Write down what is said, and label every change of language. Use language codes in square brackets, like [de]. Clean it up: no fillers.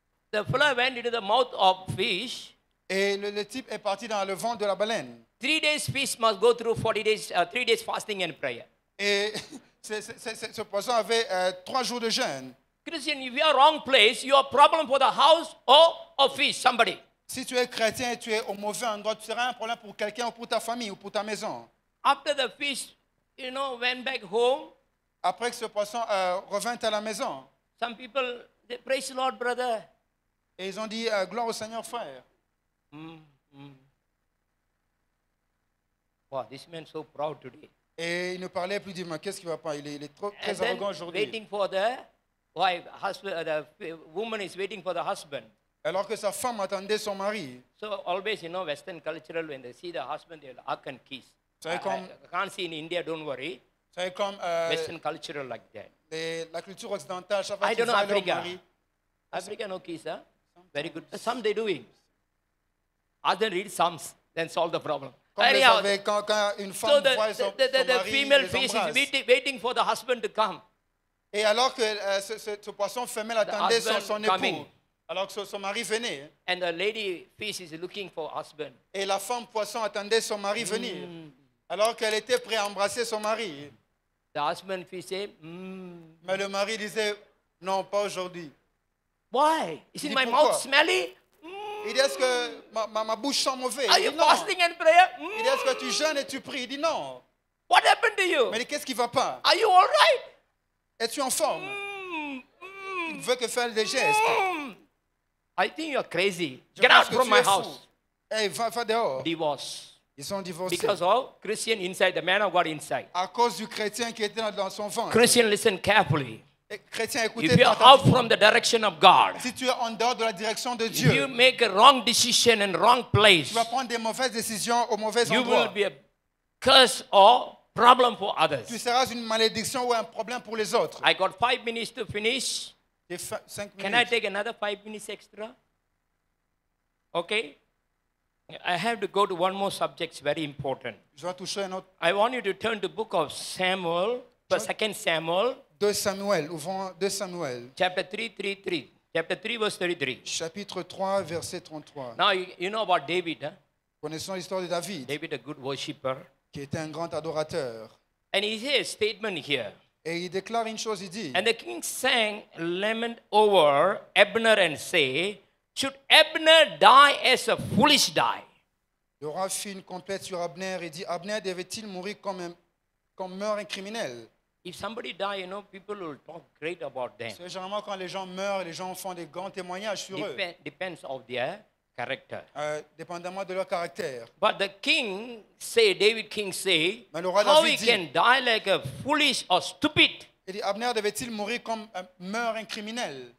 [en] The fellow went into the mouth of fish. [fr] Et le type est parti dans le ventre de la baleine. [en] 3 days fish must go through 40 days, 3 days fasting and prayer. [fr] Et ce poisson avait 3 jours de jeûne. [en] Christian, if you are wrong place, you are problem for the house or a fish, somebody. [fr] Si tu es chrétien et tu es au mauvais endroit, tu seras un problème pour quelqu'un ou pour ta famille ou pour ta maison. [en] After the fish, you know, went back home. [fr] Après que ce poisson revint à la maison. [en] Some people, they praise the Lord, brother. [fr] Et ils ont dit, gloire au Seigneur, frère. [en] Wow, this man is so proud today. [fr] Et il ne parlait plus, dit, mais qu'est-ce qui ne va pas? Il est trop, très arrogant aujourd'hui. [en] Waiting for the wife, husband, the woman is waiting for the husband. [fr] Alors que sa femme attendait son mari. [en] So always, you know, Western cultural, when they see the husband, they'll hug and kiss. I can't see in India, don't worry. [fr] C'est comme [en] Western cultural like that. [fr] La culture occidentale, chaque fois qu'ils parlent au mari. [en] Africa, no kiss, huh? Very good. Some they doing. Ask them read Psalms, then solve the problem. So the female fish is waiting for the husband to come. [fr] Et alors que ce poisson femelle attendait son époux, [en] coming. [fr] Alors que son mari venait. [en] And the lady fish is looking for husband. [fr] Et la femme poisson attendait son mari venir, alors qu'elle était prête à embrasser son mari. [en] The husband fish said, [fr] Mais le mari disait, non, pas aujourd'hui. [en] Why? Is it my mouth smelly? [fr] Il dit, est-ce que ma bouche sent mauvais? [en] Are you fasting and prayer? [fr] Il dit, est-ce que tu jeûnes et tu pries? Il dit, non. [en] What happened to you? [fr] Mais qu'est-ce qui ne va pas? [en] Are you all right? [fr] Es-tu en forme? Il veut que faire des gestes. [en] I think you're crazy. Get out from my house. [fr] Hey, va dehors. [en] Divorce. [fr] Ils sont divorcés. [en] Because of Christian inside, the man of God inside. [fr] À cause du chrétien qui était dans son ventre. [en] Christian, listen carefully. [fr] Chrétien, [en] if you are out from the direction of God, [fr] si tu es en dehors de la direction de Dieu, [en] if you make a wrong decision in wrong place, [fr] tu vas prendre des mauvaises décisions au mauvais endroit, [en] you will be a curse or problem for others. [fr] Tu seras une malédiction ou un problème pour les autres. [en] I got 5 minutes to finish. Can I take another 5 minutes extra? Okay. I have to go to one more subject. It's very important. [fr] Je vais toucher un autre. [en] I want you to turn to the book of Samuel, 2 Samuel. [fr] De Samuel, ouvrons 2 Samuel. [en] Chapter 3:33. Chapter 3, verse 33. [fr] Chapitre 3, verset 33. [en] Now you know about David, huh? [fr] Connaissons l'histoire de David. [en] David, a good worshipper. [fr] Qui était un grand adorateur. [en] And he says a statement here. [fr] Et il déclare une chose, il dit. [en] And the king sang lament over Abner and say, should Abner die as a foolish die? [fr] Le roi fit une complète sur Abner et dit, Abner devait-il mourir comme meurt un criminel? [en] If somebody dies, you know, people will talk great about them. [fr] C'est généralement quand les gens meurent, les gens font des grands témoignages sur eux. [en] Depends of their character. [fr] Dépendamment de leur caractère. [en] But the king say, David king say, [fr] mais le roi [en] how David he can die like a foolish or stupid? [fr] Il dit, Abner devait-il mourir comme meurt un criminel?